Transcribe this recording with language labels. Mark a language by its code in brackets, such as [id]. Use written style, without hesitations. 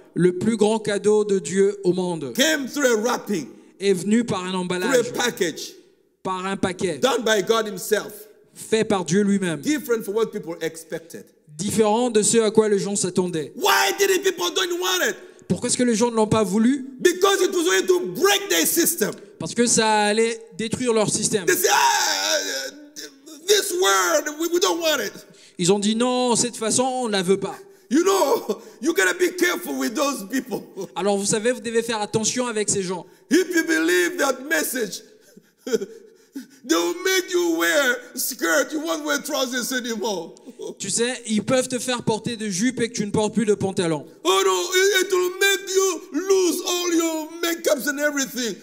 [fr] le plus grand cadeau de Dieu au monde. [en] Came through a wrapping, [fr] est venu par un emballage, [en] through a package, [fr] par un paquet, [en] done by God himself, [fr] fait par Dieu lui-même, [en] different from what people expected, [fr] différent de ce à quoi les gens s'attendaient. [en] Why didn't people don't want it? [fr] Pourquoi est-ce que les gens ne l'ont pas voulu? [en] Because it was going to break their system. [fr] Parce que ça allait détruire leur système. [en] They said, this word, we don't want it. [fr] Ils ont dit non, cette façon, on ne la veut pas. [en] You know, you gotta be careful with those people. [fr] Alors vous savez, vous devez faire attention avec ces gens. [en] If you believe that message, they will make you wear skirt. You won't wear trousers anymore. [fr] Tu sais, ils peuvent te faire porter des jupes et que tu ne portes plus de pantalon. [en] Oh no, it will make you lose all your makeups and everything.